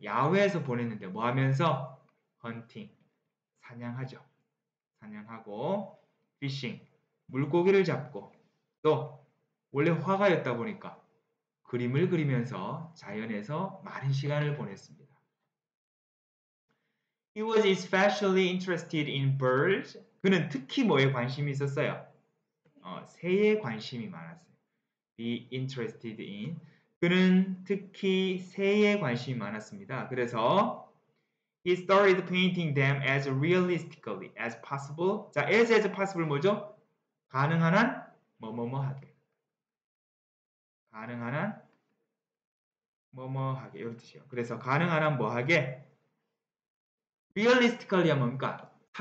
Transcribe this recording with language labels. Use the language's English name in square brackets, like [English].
[Korean] 야외에서 보냈는데 뭐 하면서? hunting, 사냥하죠. 사냥하고 fishing, 물고기를 잡고 또 원래 화가였다 보니까 그림을 그리면서 자연에서 많은 시간을 보냈습니다. [English] He was especially interested in birds. [Korean] 그는 특히 뭐에 관심이 있었어요? 새에 관심이 많았어요. [English] Be interested in. [Korean] 그는 특히 새에 관심이 많았습니다. 그래서 [English] He started painting them as realistically as possible. [Korean] 자, [English] as possible [Korean] 뭐죠? 가능한 한? 뭐뭐뭐 하게. 가능한 한? 뭐뭐 하게. 이런 뜻이요. 그래서 가능한 한 뭐 하게? realistically 하면 뭡니까?